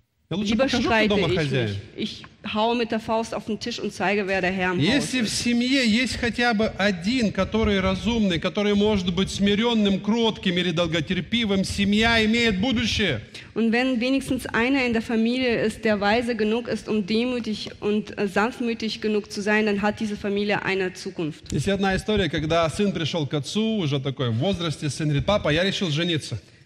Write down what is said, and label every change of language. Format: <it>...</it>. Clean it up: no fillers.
<de>Lieber streite ich nicht. Ich haue mit der Faust auf den Tisch und zeige, wer der Herr im Haus ist.</de> <ru>Если в семье есть хотя бы один, который разумный, который может быть смиренным, кротким или долготерпивым, семья имеет будущее.</ru> <de>Und wenn wenigstens einer in der Familie ist, der weise genug ist, um demütig und sanftmütig genug zu sein, dann hat diese Familie eine Zukunft.</de> <ru>Есть одна история, когда сын пришел к отцу, уже такой в возрасте, сын говорит, папа, я решил жениться.</ru>